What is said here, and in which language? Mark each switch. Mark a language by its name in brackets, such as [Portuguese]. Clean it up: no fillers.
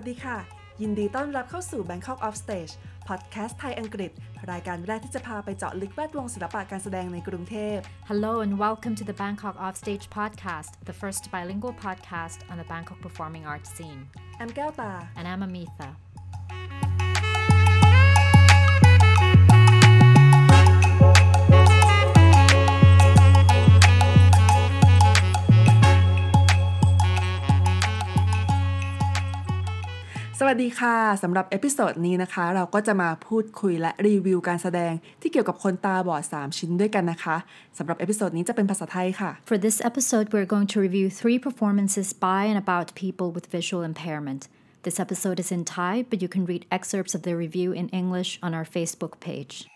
[Thai] ค่ะยินดีต้อนรับเข้าสู่ Bangkok Off Stage พอดแคสต์ไทยอังกฤษรายการแรกที่จะพาไปเจาะลึกแวดวงศิลปะการแสดงในกรุงเทพ [English] Hello and welcome to the Bangkok Off Stage podcast the first bilingual podcast on the Bangkok performing arts scene I'm Gelta and I'm Amitha [Thai] สวัสดีค่ะสำหรับเอพิโซดนี้นะคะเราก็จะมาพูดคุยและรีวิวการแสดงที่เกี่ยวกับคนตาบอด3ชิ้นด้วยกันนะคะสำหรับเอพิโซดนี้จะเป็นภาษาไทยค่ะ [English] For this episode we're going to review 3 performances by and about people with visual impairment. This episode is in Thai but you can read excerpts of the review in English on our Facebook page.